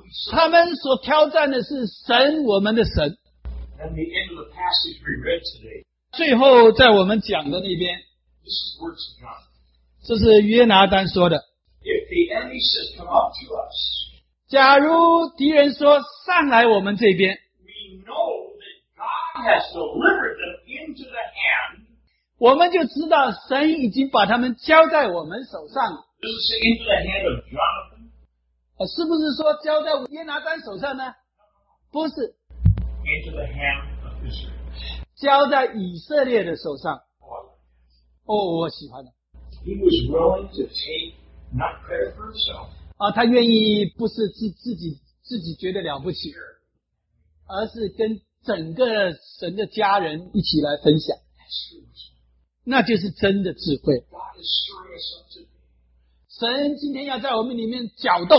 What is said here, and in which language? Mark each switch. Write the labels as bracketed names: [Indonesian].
[Chinese] 他们所挑战的是神，我们的神。 [English] And the end of the passage we read today. [Chinese] 最后在我们讲的那边 [English] This is words of God. [Chinese] 这是约拿丹说的 [English] If the enemy says come up to us. [Chinese] 假如敌人说上来我们这边 [English] We know that God has delivered them into the hand. [Chinese] 我们就知道神已经把他们交在我们手上了 [English] Does it say into the hand of Jonathan? [Chinese] 是不是说交在约拿丹手上呢？不是 [English] Into the hand of Israel. [Chinese] 交在以色列的手上。我喜欢的。 [English] He was willing to take not credit for himself. [Chinese] 他愿意不是自己觉得了不起，而是跟整个神的家人一起来分享。那就是真的智慧。 [English] God is stirring us up today. [Chinese] 神今天要在我们里面搅动。